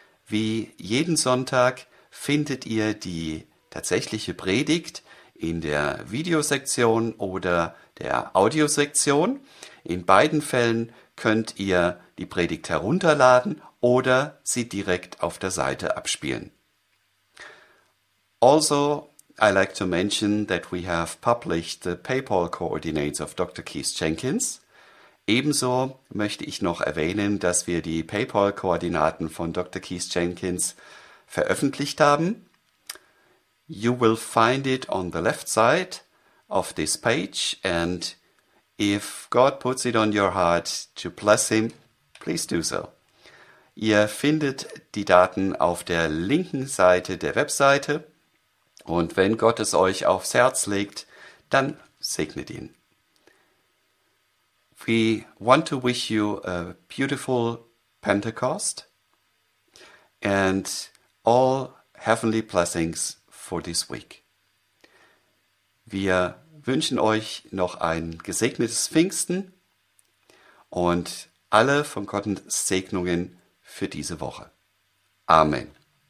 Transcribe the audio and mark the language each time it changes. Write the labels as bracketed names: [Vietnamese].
[German] Wie jeden Sonntag findet ihr die tatsächliche Predigt in der Videosektion oder der Audiosektion. In beiden Fällen könnt ihr die Predigt herunterladen oder sie direkt auf der Seite abspielen. [English] Also, I like to mention that we have published the PayPal coordinates of Dr. Keith Jenkins. [German] Ebenso möchte ich noch erwähnen, dass wir die PayPal Koordinaten von Dr. [English] Keith Jenkins [German] veröffentlicht haben. [English] You will find it on the left side of this page, and if God puts it on your heart to bless him, please do so. [German] Ihr findet die Daten auf der linken Seite der Webseite. Und wenn Gott es euch aufs Herz legt, dann segnet ihn. We want to wish you a beautiful Pentecost and all heavenly blessings for this week. Wir wünschen euch noch ein gesegnetes Pfingsten und alle von Gottes Segnungen für diese Woche. Amen.